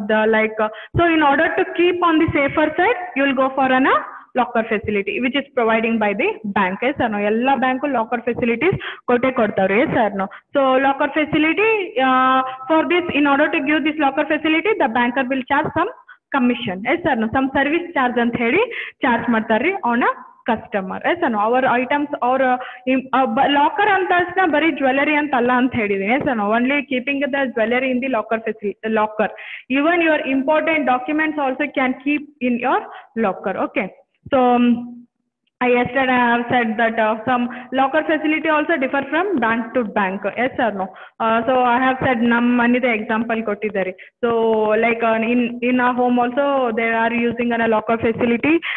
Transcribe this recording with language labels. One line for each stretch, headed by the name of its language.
English: The like so in order to keep on the safer side you will go for an locker facility which is providing by the bank. Yes or no?
Kannada: Ella bank locker facilities kote kodtaru.
English: Yes or no? So locker facility for this, in order to give this locker facility the banker will charge some commission.
Kannada: Yes sir, some service charge ಅಂತ ಹೇಳಿ charge ಮಾಡ್ತಾರ್ರಿ
English: On a customer.
Kannada: Yes sir, hour items ಅವರ locker ಅಂತ ಬರೀ jewellery ಅಂತ ಅಲ್ಲ ಅಂತ ಹೇಳಿದೀನಿ.
English: Yes sir, only keeping the jewellery in the locker facility locker. Even your important documents also can keep in your locker. Okay, so I yesterday I have said that some locker facility also differ from bank to bank. Yes or no? So I have said
Kannada: namm anide example kottidare.
English: So like in our home also they are using a locker facility.